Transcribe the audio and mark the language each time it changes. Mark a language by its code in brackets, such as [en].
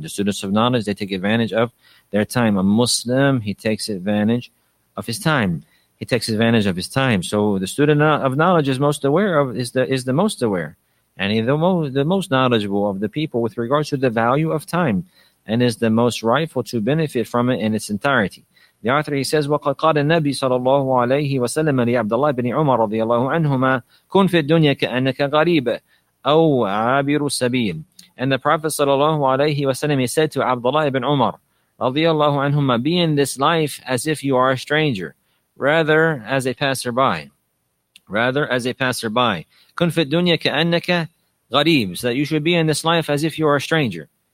[en] The students of knowledge, they take advantage of their time. A Muslim, he takes advantage of his time. He takes advantage of his time. So the student of knowledge is most aware of, is the most aware, and he's the most knowledgeable of the people with regards to the value of time, and is the most rightful to benefit from it in its entirety. The author, he says, [ar] وَقَدْ قَالَ النَّبِي صَلَى اللَّهُ عَلَيْهِ وَسَلَّمَ لِعَبْدَ اللَّهِ بْنِ عُمَرَ رَضِيَ اللَّهُ عَنْهُمَا كُنْ فِي الدُّنْيَا كَأَنَّكَ غَرِيبٌ أَوْ عَابِرُ السَّبِيلِ. [en] And the Prophet [ar] صلى الله عليه وسلم, [en] he said to Abdullah ibn Umar [ar] رضي الله عنهما, [en] be in this life as if you are a stranger, rather as a passerby. Rather as a passerby. [ar] كُنْ فِي الدُّنْيَا كَأَنَّكَ غَرِيبٌ. [en] So that you should be in this life as if you are a stranger.